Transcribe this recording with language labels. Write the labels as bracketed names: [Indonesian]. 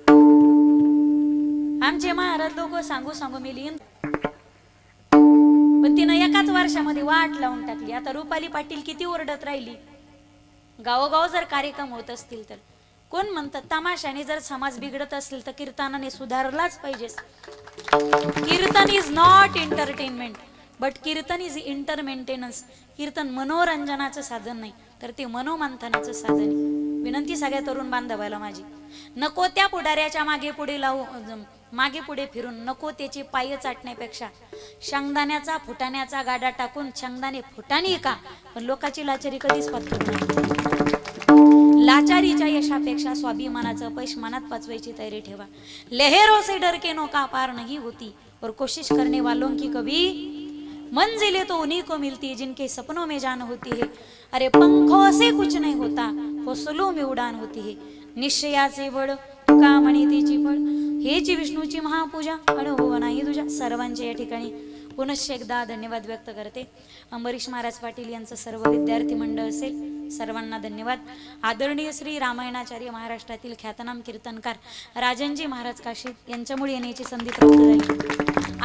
[Marathi] आमचे महाराज लोक सांगू सांगू मेली, पण तिनं एकाच वर्षामध्ये वाट लावून टाकली. आता रुपाली पाटील किती ओरडत राहिली. गावोगाव जर कार्यक्रम होत असतील तर कोण म्हणतात, तमाशाने जर समाज बिघडत असेल तर कीर्तनाने सुधारलाच पाहिजे. [English] Kirtan is not entertainment, but kirtan is inter maintenance. [Marathi] कीर्तन मनोरंजनाचं साधन नाही, तर ते मनोमंथनाचं साधन आहे. विनंती सगळ्या तरुण बांधवायला माझी, नको त्या पुढाऱ्याच्या मागे पुढे लावू, मागे पुढे फिरून नको त्याचे पाय चाटण्यापेक्षा शेंगदाण्याचा फुटाण्याचा गाडा टाकून शेंगदाणे फुटाणी का, पण लोकांची लाचारी कधीच पत्करत नाही. लाचारीच्या यशापेक्षा स्वाभिमानाचं पैश मनात पचवायची तयारी ठेवा. [Hindi] लहरों से डर के नौका पार नहीं होती, और कोशिश करने वालों की कभी मंजिले तो उन्हीं को मिलती है जिनके सपनों में जान होती है. अरे पंखों से कुछ नहीं होता, हौसलों में उड़ान होती है. [Marathi] निश्चयाचे बळ तुका म्हणी तिची बळ, हे जी विष्णूची महापूजा अनुभव नाही तुझ्या. सर्वांचे या ठिकाणी पुनश्च एकदा धन्यवाद व्यक्त करते. अंबरीश महाराज पाटील यांचं सर्व विद्यार्थी मंडळ असेल सर्वांना धन्यवाद. आदरणीय श्री रामायणाचार्य महाराष्ट्रातील ख्यातनाम कीर्तनकार राजनजी महाराज काशी यांच्यामुळे येण्याची संधी प्राप्त झाली.